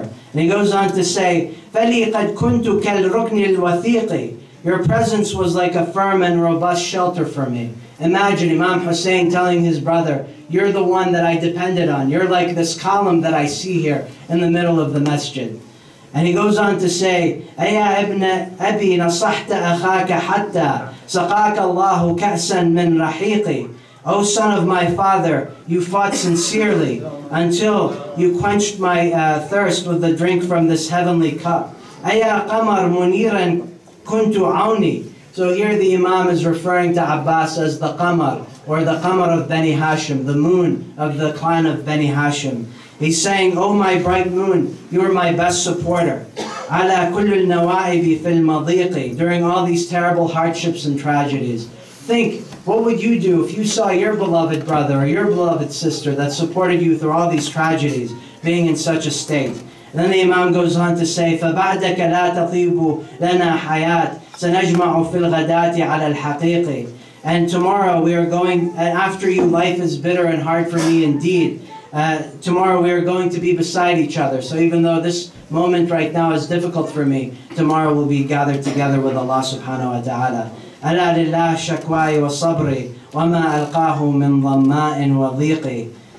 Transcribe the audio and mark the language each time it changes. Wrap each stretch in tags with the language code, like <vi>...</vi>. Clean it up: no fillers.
<en>And he goes on to say,</en> <ar>فَلِي قَدْ كُنْتُ كَالْرُكْنِ الْوَثِيقِ.</ar> <en>Your presence was like a firm and robust shelter for me. Imagine Imam Hussein telling his brother, you're the one that I depended on. You're like this column that I see here in the middle of the masjid. And he goes on to say,</en> <ar>أَيَا إِبْنَ أَبِي نَصَحْتَ أَخَاكَ حَتَّى سَقَاكَ اللَّهُ كَأْسًا مِنْ رَحِيقِ.</ar> <en>O son of my father, you fought sincerely until you quenched my thirst with the drink from this heavenly cup.</en> <ar>أَيَا قَمَرْ مُنِيرًا كُنْتُ عَوْنِي.</ar> <en>So here the Imam is referring to Abbas as the Qamar, or the Qamar of Bani Hashim, the moon of the clan of Bani Hashim. He's saying, O my bright moon, you're my best supporter.</en> <ar>عَلَىٰ كُلُّ النَّوَائِبِ فِي الْمَضِيقِ.</ar> <en>During all these terrible hardships and tragedies. Think, what would you do if you saw your beloved brother or your beloved sister that supported you through all these tragedies being in such a state? And then the Imam goes on to say,</en> <ar>فَبَعْدَكَ لَا تَطِيبُ لَنَا حَيَاةً سَنَجْمَعُ فِي الْغَدَاتِ عَلَى الْحَقِيقِ.</ar> <en>And tomorrow we are going, and after you, life is bitter and hard for me indeed. Tomorrow we are going to be beside each other. So even though this moment right now is difficult for me, tomorrow we'll be gathered together with Allah subhanahu wa ta'ala.</en> <ar>أَلَا لِلَّهِ شَكْوَايْ وَصَبْرِي وَمَا أَلْقَاهُ مِنْ ضَمَّاءٍ وَضِيقِ.</ar>